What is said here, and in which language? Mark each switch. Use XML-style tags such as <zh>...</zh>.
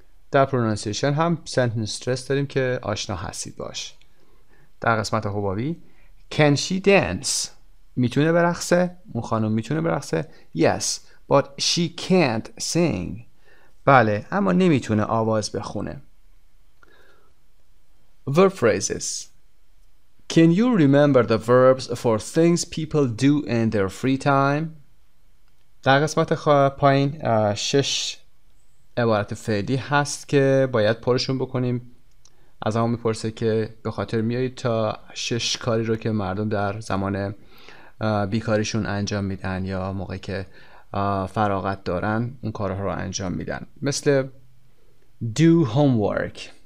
<fa>در pronunciation هم sentence stress داریم که آشنا هستید باش. در قسمت حبابی</fa> <en>can she dance؟</en> <fa>میتونه برقصه؟ اون خانم میتونه برقصه؟</fa> <en>yes but she can't sing.</en> <fa>بله، اما نمیتونه آواز بخونه.</fa> <en>Verb phrases. Can you remember the verbs for things people do in their free time?</en> <fa>در قسمت پایین شش عبارت فعلی هست که باید پرشون بکنیم. از همون میپرسه که به خاطر میایید تا شش کاری رو که مردم در زمان بیکاریشون انجام میدن یا موقعی که فراغت دارن اون کارها رو انجام میدن، مثل</fa> <en>do homework.</en>